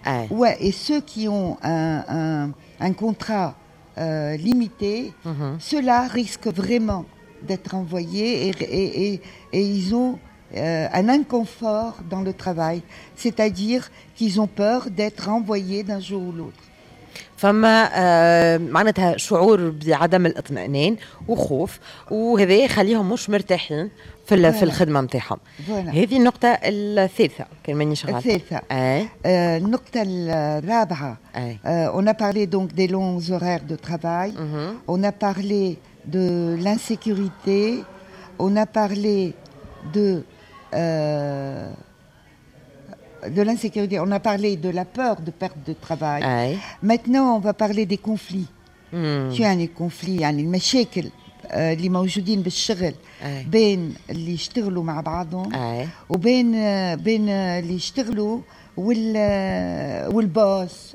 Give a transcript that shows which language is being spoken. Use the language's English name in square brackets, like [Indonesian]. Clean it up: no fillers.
[French] Ouais, et ceux qui ont un contrat limité, ceux-là risquent vraiment d'être envoyés et ils ont un inconfort dans le travail, c'est-à-dire qu'ils ont peur d'être envoyés d'un jour ou l'autre. [Arabic] فما معناتها شعور بعدم الاطمئنان وخوف، وهذا يخليهم مش مرتاحين في في الخدمه نتاعهم. هذه النقطه الثالثه كان ماني شغاله. الثالثه النقطه الرابعه [French] on a parlé donc des longs horaires de travail, on a parlé de l'insécurité, on a parlé de l'insécurité, on a parlé de la peur de perte de travail. [Arabic] أي. [French] Maintenant, on va parler des conflits. Tu as les conflits, [Arabic] يعني المشاكل اللي موجودين بالشغل بين اللي يشتغلوا مع بعضهم وبين بين اللي يشتغلوا والبوس